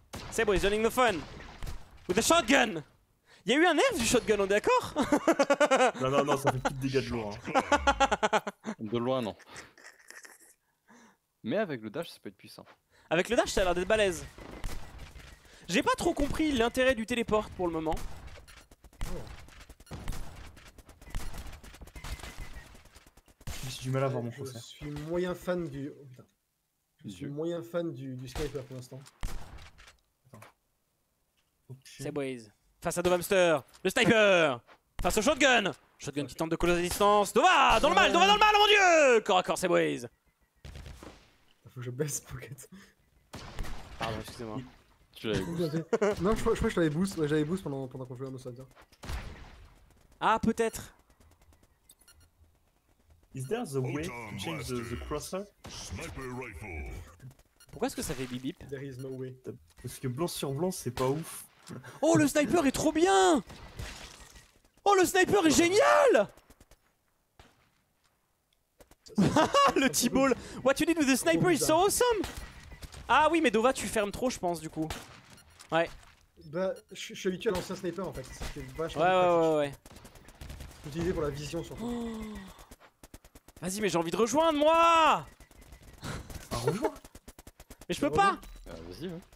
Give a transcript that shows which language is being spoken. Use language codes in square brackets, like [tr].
[en] Sebo is joining the fun with the shotgun. [fr] Il y a eu un nerf du shotgun, on est d'accord? Non, ça fait plus de dégâts de loin. De loin, non. Mais avec le dash, ça peut être puissant. Avec le dash, ça a l'air d'être balèze. J'ai pas trop compris l'intérêt du téléport pour le moment. J'ai du mal à voir mon chaussé. Je suis moyen fan du... Oh, putain. Je suis moyen fan du sniper pour l'instant. C'est Boys. Face à Dove Hamster, le sniper. Face au shotgun. Shotgun qui tente de coller à distance. Dova dans le mal, Dova dans le mal, mon dieu. Corps à corps, c'est Boys. Faut que je baisse, Pocket. Pardon, excusez-moi. Tu l'avais boost. Non, je crois que je l'avais boost. Ouais, j'avais boost pendant qu'on jouait à nos soldats. Ah, peut-être. [en] Is there the way to change the crosser? Sniper rifle. [fr] Pourquoi est-ce que ça fait bip bip? [en] There is no way. [fr] Parce que blanc sur blanc, c'est pas ouf. Oh, le sniper est trop bien! Oh, le sniper est génial! Le T-ball! [en] What you did with the sniper is so awesome! [fr] Ah oui, mais Dova, tu fermes trop, je pense, du coup. Ouais. Bah, je suis habitué à l'ancien sniper en fait. C'était vachement ouais. Utilisé pour la vision surtout. Oh. Vas-y, mais j'ai envie de rejoindre moi! Rejoins! Mais je peux pas! Vas-y, ouais.